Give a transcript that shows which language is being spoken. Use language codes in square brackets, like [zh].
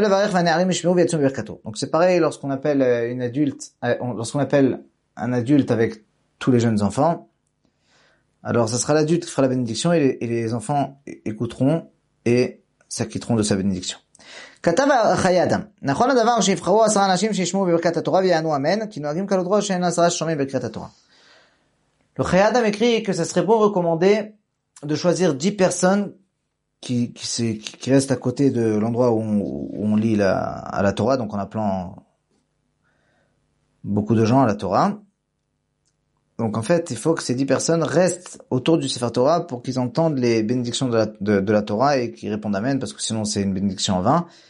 [fr] Donc c'est pareil lorsqu'on appelle un adulte avec tous les jeunes enfants. Alors ce sera l'adulte qui fera la bénédiction et les enfants écouteront et s'acquitteront de sa bénédiction. [he] כתב חיי אדם, נכון הדבר שיבחרו 10 אנשים שישמעו בברכת התורה ויענו אמן, כי נוהגים כלות ראש שאין 10 ששומעים בברכת התורה. [fr] Le חיי אדם écrit que ça serait bon recommandé de choisir 10 personnes qui restent à côté de l'endroit où on lit à la Torah, donc en appelant beaucoup de gens à la Torah. Donc en fait, il faut que ces 10 personnes restent autour du Sefer Torah pour qu'ils entendent les bénédictions de la Torah et qu'ils répondent Amen, parce que sinon c'est une bénédiction en vain.